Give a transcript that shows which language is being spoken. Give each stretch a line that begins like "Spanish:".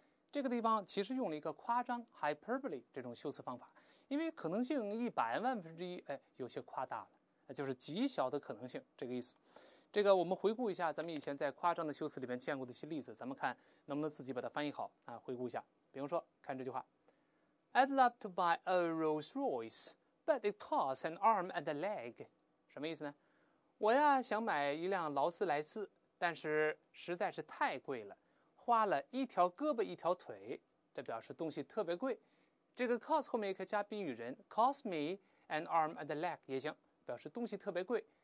Chinese: 这个地方其实用了一个夸张 hyperbole 这种修辞方法，因为可能性100万分之一，哎，有些夸大了，就是极小的可能性这个意思。这个我们回顾一下咱们以前在夸张的修辞里面见过的一些例子，咱们看能不能自己把它翻译好啊？回顾一下，比如说看这句话。
English: I'd love to buy a Rolls Royce, but it costs an arm and a leg。
Chinese: 什么意思呢？我呀想买一辆劳斯莱斯，但是实在是太贵了，花了一条胳膊一条腿。这表示东西特别贵。这个 cost 后面也可以加宾语人，
English: cost me an arm and a leg
Chinese: 也行，表示东西特别贵。